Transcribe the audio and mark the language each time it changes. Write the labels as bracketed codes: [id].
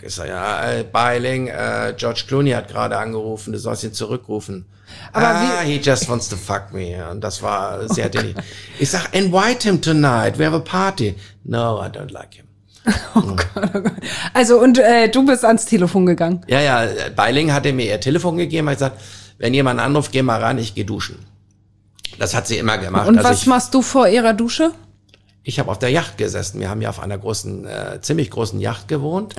[de] Ich sage, ja, Bai Ling, George Clooney hat gerade angerufen, du sollst ihn zurückrufen. Aber [en] he just wants to fuck me. [de] Und das war sehr dämlich. Ich sag, [en] invite him tonight, we have a party. No, I don't like him. [de] Oh Gott. Also und du bist ans Telefon gegangen. Ja, Bai Ling hatte mir ihr Telefon gegeben, hat gesagt, wenn jemand anruft, geh mal ran, ich geh duschen. Das hat sie immer gemacht. Und was machst du vor ihrer Dusche? Ich habe auf der Yacht gesessen. Wir haben ja auf einer großen, ziemlich großen Yacht gewohnt.